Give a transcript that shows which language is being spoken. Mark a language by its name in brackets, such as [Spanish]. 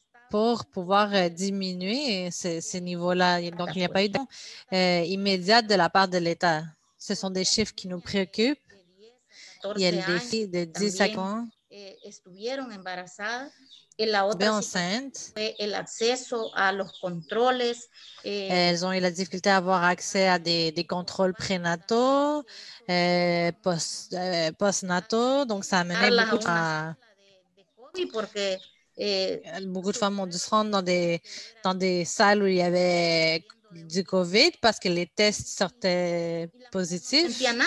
[French] pour pouvoir diminuer ces niveaux-là. Donc, il n'y a pas eu d'action immédiate de la part de l'État. Ce sont des chiffres qui nous préoccupent. Il y a des filles de 10 à 15 ans. [Spanish] Estuvieron embarazadas y la otra fue el acceso a los controles. [French] Elles ont eu la difficulté d'avoir accès à des contrôles prénataux, postnataux, donc ça a mené beaucoup de femmes. Beaucoup de femmes ont dû se rendre dans des salles où il y avait du COVID parce que les tests sortaient positifs.